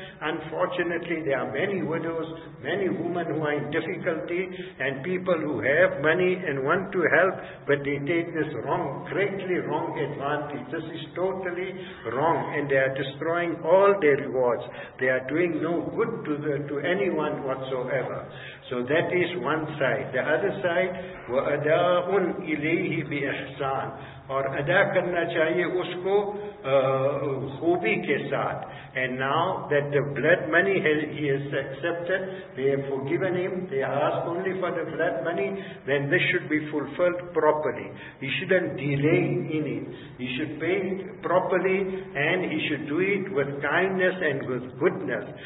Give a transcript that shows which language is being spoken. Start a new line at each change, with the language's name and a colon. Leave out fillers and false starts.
English: Unfortunately, there are many widows, many women who are in difficulty, and people who have money and want to help, but they take this wrong, greatly wrong advantage. This is totally wrong, and they are destroying all their rewards. They are doing no good to anyone whatsoever. So that is one side. The other side,
Arabic: وَأَدَاءٌ إِلَيْهِ بِإِحْسَانٍ,
Urdu: or ادا کرنا چاہیے اس کو خوبی کے ساتھ.
English: And now that the blood money he has accepted, they have forgiven him, they ask only for the blood money, then this should be fulfilled properly. He shouldn't delay in it. He should pay it properly, and he should do it with kindness and with goodness.